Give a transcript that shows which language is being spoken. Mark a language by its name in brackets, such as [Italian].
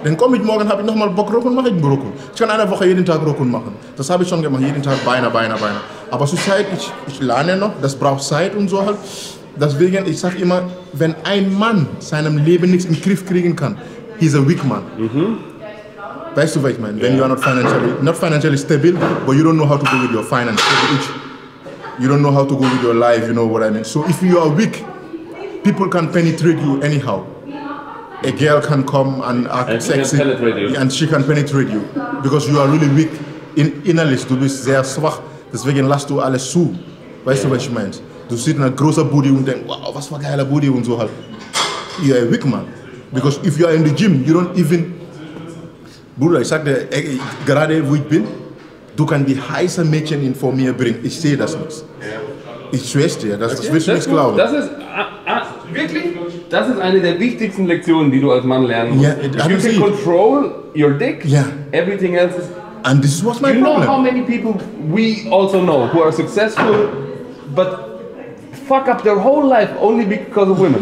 [German] Dann komm ich morgen, hab ich nochmal Bock, Rücken, mach ich Rücken. Ich kann eine Woche jeden Tag Rücken machen. Das habe ich schon gemacht, jeden Tag Beine. Aber zur Zeit, ich lerne noch, das braucht Zeit und so halt. Deswegen, ich sag immer, wenn ein Mann seinem Leben nichts im Griff kriegen kann, [English] he's a weak man. [German] Weißt du, was ich meine? Wenn du [English] not financially stable, but you don't know how to go with your finances, you don't know how to go with your life, you know what I mean? So if you are weak, people can penetrate you anyhow. A girl can come and act and sexy, and she can penetrate you, because you are really weak innerlich. [German] Du bist sehr schwach, deswegen lässt du alles zu. Weißt du, was ich meine? Du siehst eine große Booty und denkst, wow, was für geiler Booty und so halt. You are a weak man, because if you are in the gym, you don't even. Bruder, ich sag dir, gerade wo ich bin, du kannst die heiße Mädchen in vor mir bringen. Ich sehe das nicht. Ich schwör's dir, das willst du nicht glauben. Das ist wirklich, das ist eine der wichtigsten Lektionen, die du als Mann lernen musst. [English] Yeah, you can control your dick, yeah. Everything else is... And this is what's my you problem. You know how many people we also know who are successful, but fuck up their whole life only because of women.